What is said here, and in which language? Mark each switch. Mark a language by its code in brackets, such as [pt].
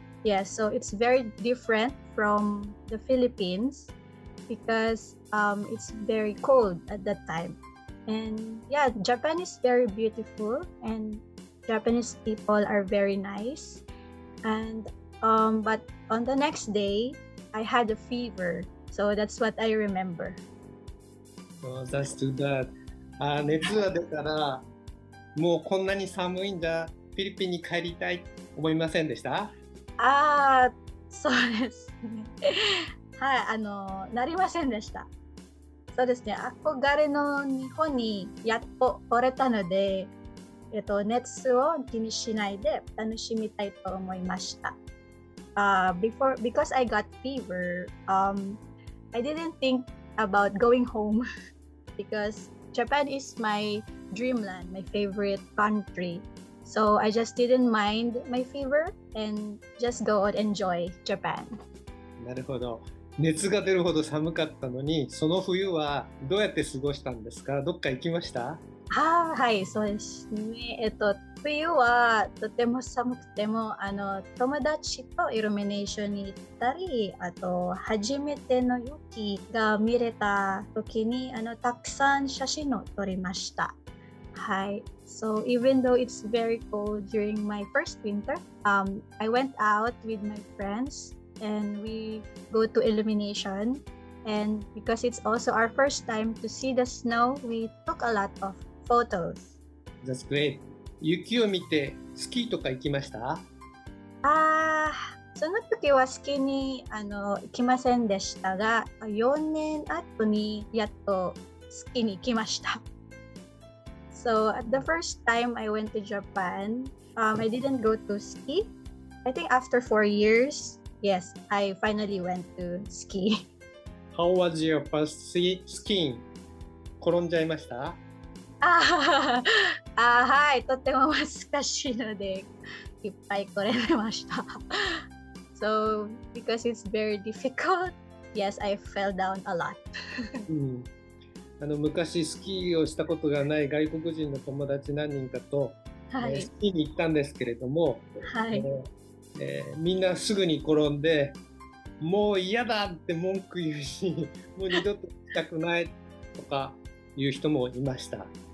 [en] Yeah, so it's very different from the Philippines because it's very cold at that time. And yeah, Japan is very beautiful and Japanese people are very nice. And but on the next day, I had a fever. So that's what I remember. Oh, that's too bad. [ja] Ah, 熱は出たら、もうこんなに寒いんだ、フィリピンに帰りたい、思いませんでした？ああ、そうですね。はい、なりませんでした。そうですね、憧れの日本にやっと来れたので、熱を気にしないで楽しみたいと思いました。 [en] Because I got fever, I didn't think about going home because Japan is my dreamland, my favorite country. So I just didn't mind my fever and just go and enjoy Japan. [ja] なるほど。熱が出るほど寒かったのに、その冬はどうやって過ごしたんですか？どっか行きました？ああ、はい、そうですね。冬はとても寒くても友達とイルミネーションに行ったり、あと初めての雪が見れた時にたくさん写真を撮りました。 [en] はい、 so even though it's very cold during my first winter, I went out with my friends and we go to illumination, and because it's also our first time to see the snow, we took a lot of photos. That's great. [ja] 雪を見てスキーとか行きました？あ、その時はスキーに行きませんでしたが、4年後にやっとスキーに行きました。 [en] So the first time I went to Japan, I didn't go to ski. I think after 4 years, yes, I finally went to ski. How was your first skiing? [ja] 転んじゃいました？ああ、はい、とても難しいのでいっぱい来れました。 [en] So, because it's very difficult, yes, I fell down a lot. [ja] 昔スキーをしたことがない外国人の友達何人かと、はい、スキーに行ったんですけれども、はい、みんなすぐに転んで、もう嫌だって文句言うし、もう二度と行きたくないとか言う人もいました。